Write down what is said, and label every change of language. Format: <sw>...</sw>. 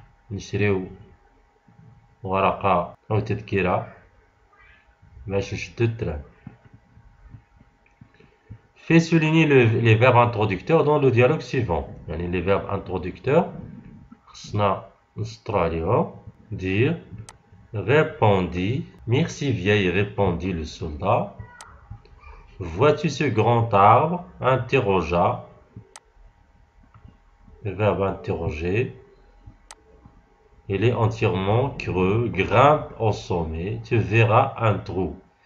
<ar>نشريو ورقة أو تذكرة باش نشدو التران.</ar> <fr>Fais souligner les verbes introducteurs dans le dialogue suivant.</fr> <ar>يعني</ar> <fr>les verbes introducteurs</fr> <ar>خصنا نسطرو عليهم.</ar> <fr>Dire répondit. Merci vieille, répondit le soldat. Vois-tu ce grand arbre? Interrogea. Le verbe interroger. Il est entièrement creux, grimpe au sommet, tu verras un trou.</fr>